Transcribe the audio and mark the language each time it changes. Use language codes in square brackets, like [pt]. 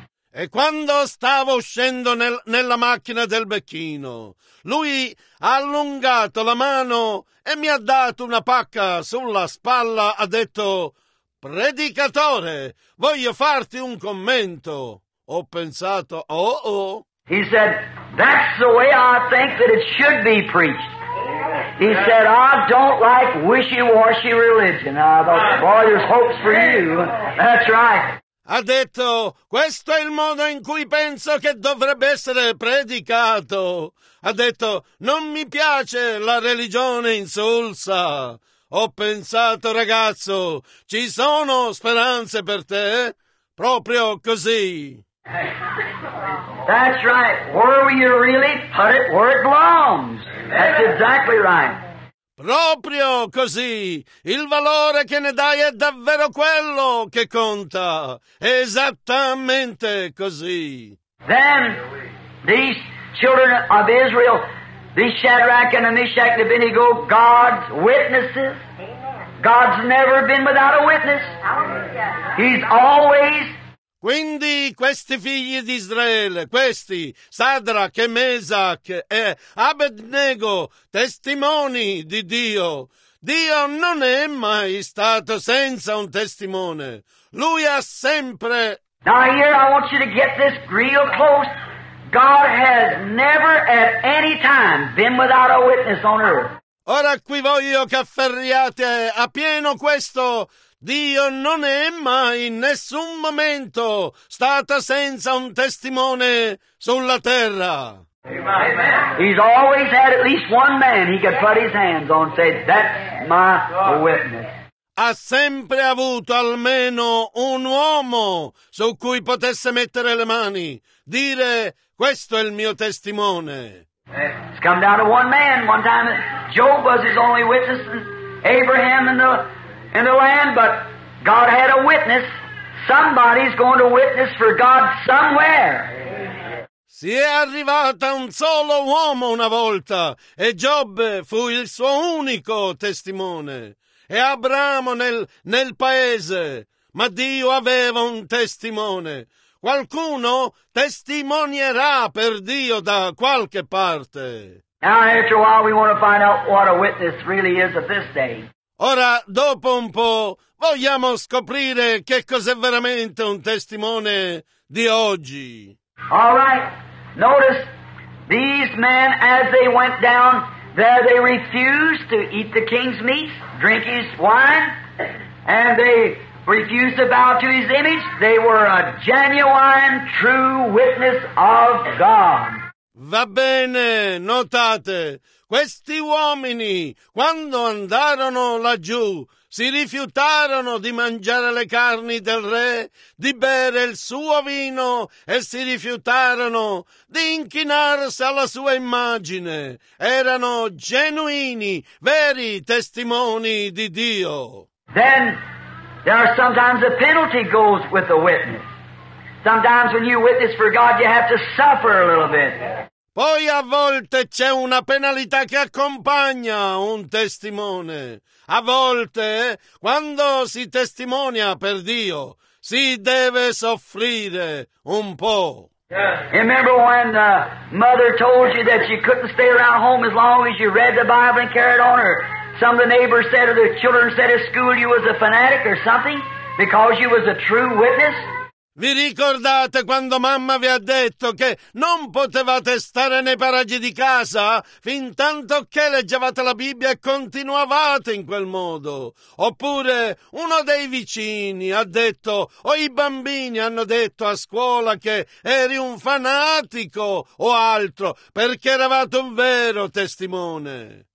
[it] E quando stavo uscendo nella macchina del becchino, lui ha allungato la mano e mi ha dato una pacca sulla spalla, ha detto, "Predicatore, voglio farti un commento." Ho pensato, [en] He said, "That's the way I think that it should be preached." He said, "I don't like wishy-washy religion." I thought, "Boy, there's hopes for you." That's right. [it] Ha detto, questo è il modo in cui penso che dovrebbe essere predicato. Ha detto, non mi piace la religione insulsa. Ho pensato, ragazzo, ci sono speranze per te? Proprio così. [en] That's right. Where were you really? Put it where it belongs. That's exactly right. [it] Proprio così, il valore che ne dai è davvero quello che conta, esattamente così. [en] Then, these children of Israel, these Shadrach and Meshach and Abednego, God's witnesses, God's never been without a witness, He's always... [it] Quindi questi figli di Israele, questi, Sadrach e Mesach e Abednego, testimoni di Dio. Dio non è mai stato senza un testimone. Lui ha sempre... [en] Now here I want you to get this real close. God has never at any time been without a witness on earth. [it] Ora qui voglio che afferriate a pieno questo. Dio non è mai in nessun momento stata senza un testimone sulla terra. [en] He's always had at least one man he could put his hands on and say, that's my witness. [it] Ha sempre avuto almeno un uomo su cui potesse mettere le mani, dire, questo è il mio testimone. [en] It's come down to one man. One time Job was his only witness, and Abraham in the land, but God had a witness. Somebody's going to witness for God somewhere. [it] Si è arrivata un solo uomo una volta, e Giobbe fu il suo unico testimone, e Abramo nel paese, ma Dio aveva un testimone. Qualcuno testimonierà per Dio da qualche parte. [en] Now, after a while, we want to find out what a witness really is of this day. [it] Ora, dopo un po', vogliamo scoprire che cos'è veramente un testimone di oggi. [en] All right. Notice, these men, as they went down there, they refused to eat the king's meat, drink his wine, and they refused to bow to his image. They were a genuine, true witness of God. [it] Va bene, notate, questi uomini, quando andarono laggiù, si rifiutarono di mangiare le carni del re, di bere il suo vino e si rifiutarono di inchinarsi alla sua immagine. Erano genuini, veri testimoni di Dio. [en] Then there are sometimes a penalty goes with the witness. Sometimes when you witness for God, you have to suffer a little bit. [it] Poi a volte c'è una penalità che accompagna un testimone. A volte, quando si testimonia per Dio, si deve soffrire un po'. [en] Remember when the mother told you that you couldn't stay around home as long as you read the Bible and carried on, or some of the neighbors said or the children said at school you was a fanatic or something because you was a true witness? [it] Vi ricordate quando mamma vi ha detto che non potevate stare nei paraggi di casa fin tanto che leggevate la Bibbia e continuavate in quel modo? Oppure uno dei vicini ha detto, o i bambini hanno detto a scuola che eri un fanatico o altro, perché eravate un vero testimone.